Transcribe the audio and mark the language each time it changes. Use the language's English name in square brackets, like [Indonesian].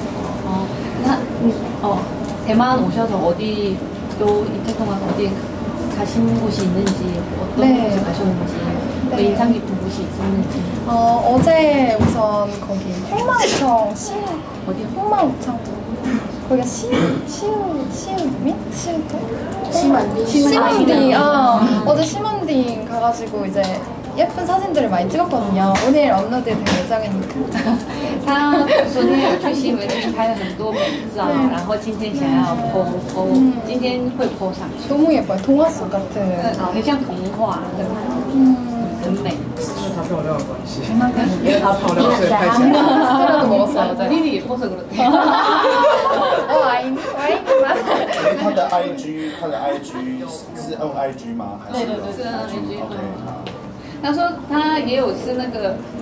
[Chinese] 他只是想要休息，所以他想要跟妈妈来他自己平常喜欢的国家来放松。那这次有去带台湾哪些地方走走，后遇到一些觉得印象深刻的事情？哦，那你哦，대만 [Korean] 오셔서 어디 또 이틀 동안 어디 가신 곳이 있는지 어떤 네. 곳에 가셨는지 네. 또 인상 깊은 곳이 있었는지 어제 우선 거기 홍망우청 시우 어디 홍망우청 거기가 시우 어제 시먼딩 가가지고 이제 예쁜 사진들을 많이 찍었거든요. 오늘 업로드 될 예정이니까. [Chinese] 他昨天去西门町拍了很多美照，然后今天想要po，今天会po上去。 [Korean] 너무 예뻐요. 동화 속 같은. [Chinese] 很像 동화. 很美，是他漂亮的关系。因为他漂亮，所以才。哈哈哈哈哈哈！我爱，我爱你吗？他的IG是用IG吗？还是？对对对，是IG。OK，好。他说他也有吃那个。